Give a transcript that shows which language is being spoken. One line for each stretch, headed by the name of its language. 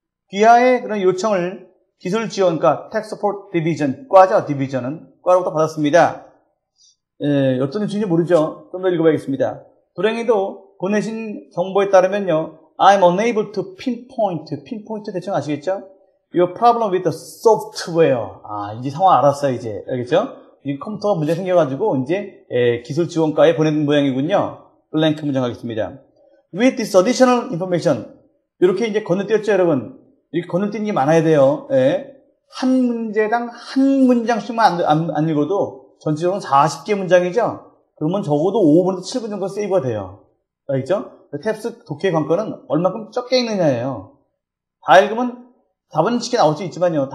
Korean: 귀하의 그런 요청을 기술 지원과 Tech Support Division, 과죠, Division은. 과로부터 받았습니다. 예, 어떤 일인지 모르죠. 좀 더 읽어봐야겠습니다. 불행히도 보내신 정보에 따르면요.
English: I'm unable to pinpoint.
Korean: Pinpoint 대충 아시겠죠?
English: Your problem with the software.
Korean: 아, 이제 상황 알았어요, 이제. 알겠죠? 이 컴퓨터가 문제 생겨가지고, 이제, 기술 지원과에 보낸 모양이군요. 블랭크 문장 하겠습니다.
English: With this additional information.
Korean: 이렇게 이제 건너뛰었죠, 여러분? 이렇게 건너뛰는 게 많아야 돼요. 예. 한 문제당 한 문장씩만 안 읽어도, 전체적으로는 40개 문장이죠? 그러면 적어도 5분에서 7분 정도 세이브가 돼요. 알겠죠? 탭스 독해 관건은 얼만큼 적게 읽느냐예요. 다 읽으면, 답은 쉽게 나올 수 있지만요.